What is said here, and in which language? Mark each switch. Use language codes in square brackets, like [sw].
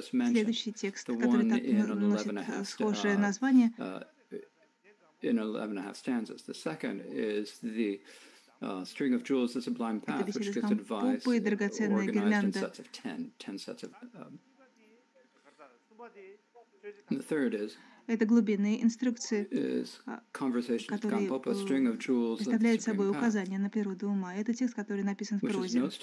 [ru] Следующий текст, который так носит схожее название. [en] In 11.5 stanzas. The second is the string of jewels, the sublime path, which gives advice organized in sets of 10 sets of. And the third is. [ru] Это глубинные инструкции, которые представляют собой указание на природу ума. Это текст, который написан в прозе.